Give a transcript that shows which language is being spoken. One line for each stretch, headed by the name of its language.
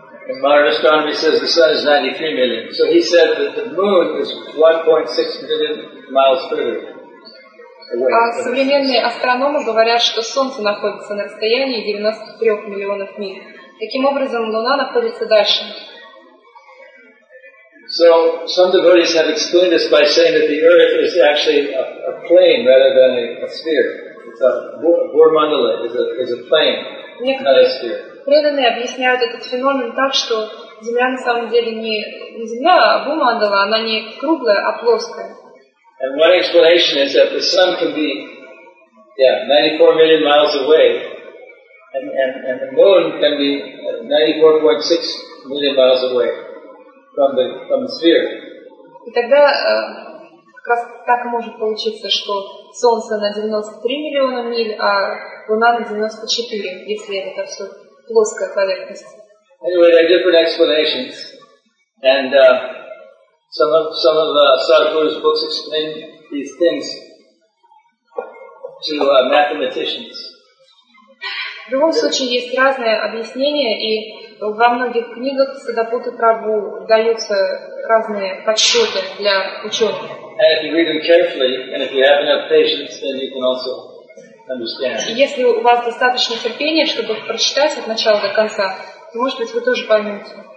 English: In modern astronomy says the Sun is 93 million. So he said that the Moon is 1.6 million miles further.
Russian: А современные астрономы говорят, что Солнце находится на расстоянии 93 миллионов миль. Таким образом, Луна находится дальше.
English: So some devotees have explained this by saying that the Earth is actually a plane rather than a sphere. It's a Bhurmandala, is a plane, not a sphere.
Russian: Преданные объясняют этот феномен так, что Земля на самом деле не Земля, а Бхурмандала, она не круглая, а плоская.
English: And one explanation is that the Sun can be, 94 million miles away, and the Moon can be 94.6 million miles away from the sphere.
Russian: И тогда как раз так может получиться, что Солнце на 93 миллиона миль, а Луна на 94, если это все плоская поверхность.
English: Anyway, there are different explanations, and Some of Sadhguru's books explain these things to mathematicians.
Russian: В любом случае есть разные объяснения, и во многих книгах Сиддхапутта Прабху даются разные подсчеты для ученых.
English: And if you read them carefully, and if you have enough patience, then you can also understand.
Russian: Если у вас достаточно терпения, чтобы прочитать от начала до конца, то, может быть, вы тоже поймете.